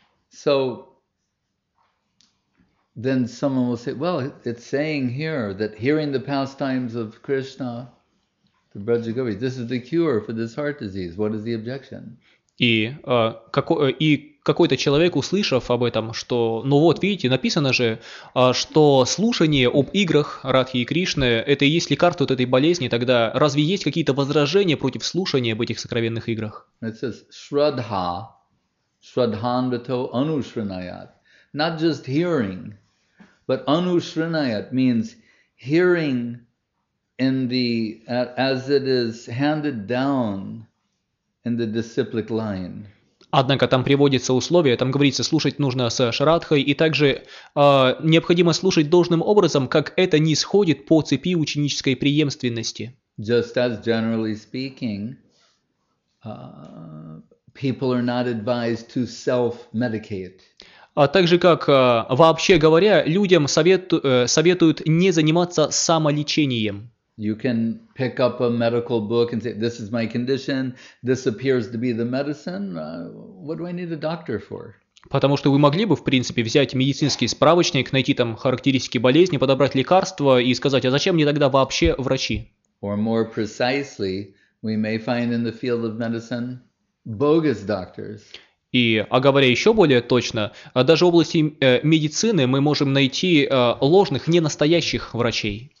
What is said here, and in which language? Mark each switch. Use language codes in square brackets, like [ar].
[en] So, then someone will say, well, it's saying here that hearing the pastimes of Krishna – the Braja Gopis, this is the cure for this heart disease. What is the objection? [ru] И какой-то человек, услышав об этом, что, ну вот, видите, написано же, что слушание об играх Радхи и Кришны – это и есть лекарство от этой болезни, тогда разве есть какие-то возражения против слушания об этих сокровенных играх? [en] It says, Shraddha, Shraddhanvato Anushranayat. Not just hearing, but Anushranayat means hearing in the as it is handed down in the disciplic line. [ru] Однако там приводится условие, там говорится, слушать нужно с Шрадхой, и также необходимо слушать должным образом, как это нисходит по цепи ученической преемственности. [en] Just as generally speaking, people are not advised to self-medicate. [ru] А также как вообще говоря, людям советуют не заниматься самолечением. [en] You can pick up a medical book and say, this is my condition, this appears to be the medicine, what do I need a doctor for? [ru] Потому что вы могли бы, в принципе, взять медицинский справочник, найти там характеристики болезни, подобрать лекарства и сказать, а зачем мне тогда вообще врачи? [en] Or more precisely, we may find in the field of medicine bogus doctors. [ru] И, а говоря еще более точно, даже в области медицины мы можем найти ложных, не настоящих врачей.